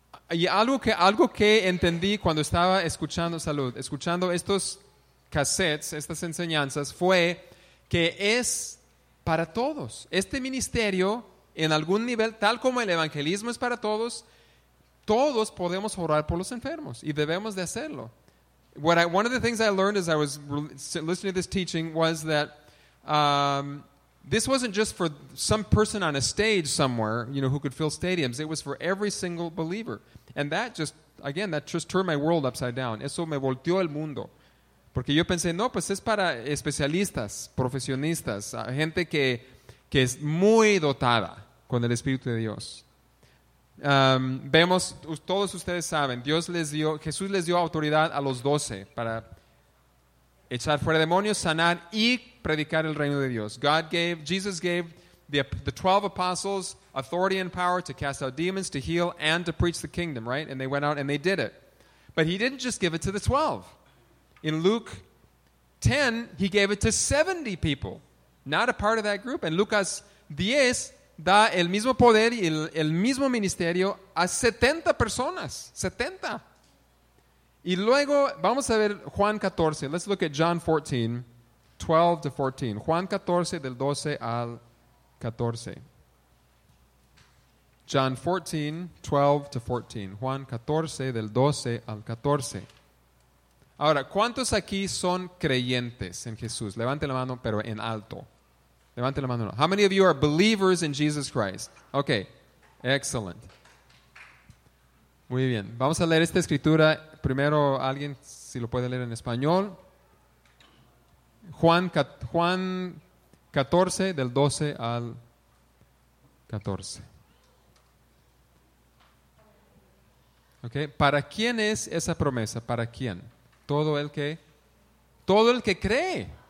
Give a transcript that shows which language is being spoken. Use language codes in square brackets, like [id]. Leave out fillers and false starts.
[es] Y algo que entendí cuando estaba escuchando estos cassettes, estas enseñanzas, fue que es para todos. Este ministerio, en algún nivel, tal como el evangelismo es para todos, todos podemos orar por los enfermos y debemos de hacerlo. [en] One of the things I learned as I was listening to this teaching was that this wasn't just for some person on a stage somewhere, you know, who could fill stadiums. It was for every single believer. And that just, again, that just turned my world upside down. [es] Eso me volteó el mundo. Porque yo pensé, no, pues es para especialistas, profesionistas, gente que es muy dotada con el Espíritu de Dios. Vemos, todos ustedes saben, Jesús les dio autoridad a los 12 para echar fuera demonios, sanar y predicar el reino de Dios. [en] Jesus gave the 12 apostles authority and power to cast out demons, to heal, and to preach the kingdom, right? And they went out and they did it. But he didn't just give it to the 12. In Luke 10, he gave it to 70 people, not a part of that group. [es] And Lucas 10 da el mismo poder y el mismo ministerio a 70 personas. 70. Y luego, vamos a ver Juan 14. [en] Let's look at John 14, 12 to 14. [es] Juan 14, del 12 al 14. [en] John 14, 12 to 14. [es] Juan 14, del 12 al 14. Ahora, ¿cuántos aquí son creyentes en Jesús? Levante la mano, pero en alto. Levante la mano. [en] How many of you are believers in Jesus Christ? Okay, excellent. [es] Muy bien. Vamos a leer esta escritura. Primero, alguien si lo puede leer en español. Juan 14, del 12 al 14. Okay. ¿Para quién es esa promesa? ¿Para quién? Todo el que cree.